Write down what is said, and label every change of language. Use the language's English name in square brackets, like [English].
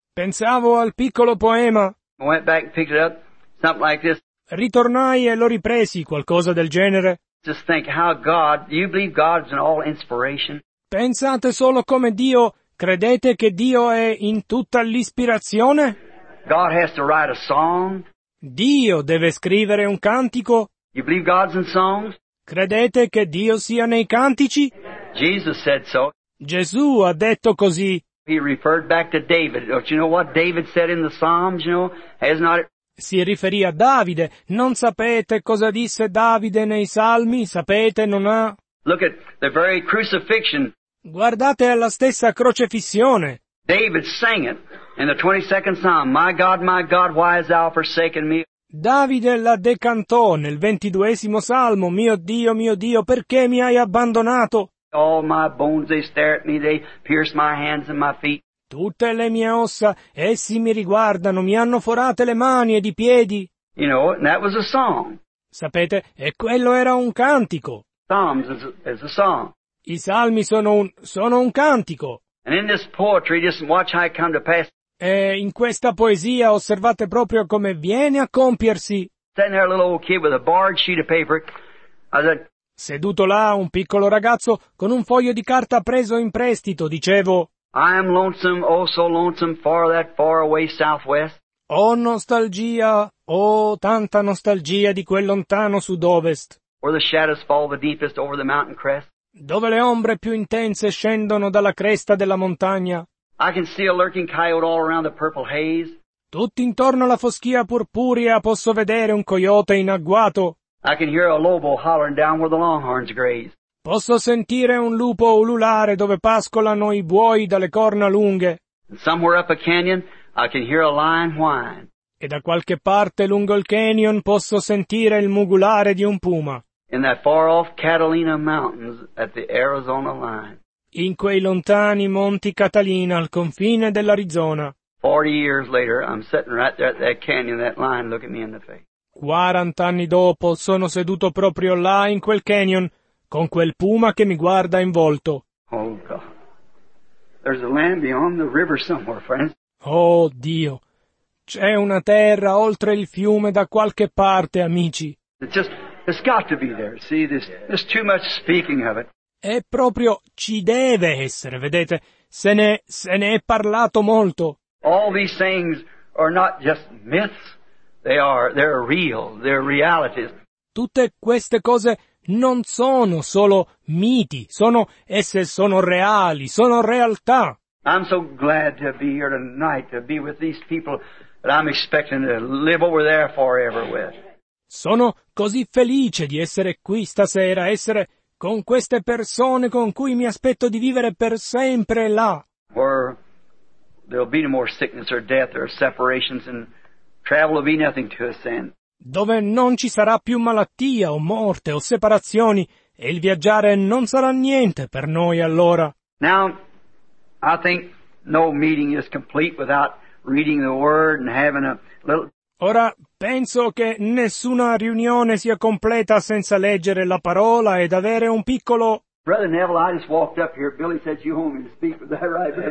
[Italian] Pensavo al piccolo poema, [English] I went back and picked it up, something like this. [Italian] Ritornai e lo ripresi, qualcosa del genere. [English] Just think how God, do you believe God is an all inspiration? [Italian] Pensate solo come Dio, credete che Dio è in tutta l'ispirazione? [English] God has to write a song. [Italian] Dio deve scrivere un cantico. [English] You believe God's in songs? [Italian] Credete che Dio sia nei cantici? [English] Jesus said so. [Italian] Gesù ha detto così. [English] He referred back to David. Don't you know what David said in the Psalms, you know? Has not it... [Italian] Si riferì a Davide. Non sapete cosa disse Davide nei Salmi? Sapete, non ha... [English] Look at the very crucifixion. [Italian] Guardate alla stessa crocefissione. [English] David sang it in the 22nd Psalm. My God, why hast thou forsaken me? [Italian] Davide la decantò nel 22esimo Salmo. Mio Dio, perché mi hai abbandonato? [English] All my bones, they stare at me, they pierce my hands and my feet. [Italian] Tutte le mie ossa, essi mi riguardano, mi hanno forate le mani ed i piedi. [English] You know, and that was a song. [Italian] Sapete, e quello era un cantico. [English] Psalms is a song. [Italian] I salmi sono un cantico. [English] And in this poetry, just watch how it come to pass. [Italian] E in questa poesia osservate proprio come viene a compiersi. [English] Sitting there, a little old kid with a barred sheet of paper. I said, [Italian] seduto là, un piccolo ragazzo con un foglio di carta preso in prestito, dicevo. [English] I am lonesome, oh so lonesome, for that far away southwest. [Italian] Oh nostalgia, oh tanta nostalgia di quel lontano sud-ovest. [English] Where the shadows fall the deepest over the mountain crest. [Italian] Dove le ombre più intense scendono dalla cresta della montagna. [English] I can see a lurking coyote all around the purple haze. [Italian] Tutto intorno alla foschia purpurea posso vedere un coyote in agguato. [English] I can hear a lobo hollering down where the longhorns graze. [Italian] Posso sentire un lupo ululare dove pascolano i buoi dalle corna lunghe. [English] And somewhere up a canyon I can hear a lion whine. [Italian] E da qualche parte lungo il canyon posso sentire il mugulare di un puma. [English] In that far off Catalina Mountains at the Arizona line. [Italian] In quei lontani monti Catalina al confine dell'Arizona. [English] 40 years later I'm sitting right there at that canyon, that lion looking me in the face. [Italian] 40 anni dopo sono seduto proprio là in quel canyon con quel puma che mi guarda in volto. [English] Oh God. There's a land beyond the river somewhere, friends. [Italian] Oh Dio. C'è una terra oltre il fiume da qualche parte, amici. [English] It's got to be there, see? There's too much speaking of it. [Italian] E proprio ci deve essere, vedete? Se ne è parlato molto. [English] All these things are not just myths. They're real. They're realities. [Italian] Tutte queste cose non sono solo miti. Sono reali. Sono realtà. [English] I'm so glad to be here tonight, to be with these people. That I'm expecting to live over there forever with. [Italian] Sono così felice di essere qui stasera, essere con queste persone con cui mi aspetto di vivere per sempre là. [English] There'll be no more sickness or death or separations, and travel will be nothing to us then. [Italian] Dove non ci sarà più malattia o morte o separazioni, e il viaggiare non sarà niente per noi allora. [English] Now, I think no meeting is complete without reading the Word and having a little... [Italian] Ora, penso che nessuna riunione sia completa senza leggere la parola ed avere un piccolo... [English] Brother Neville, I just walked up here. Billy said you want me to speak with that, right?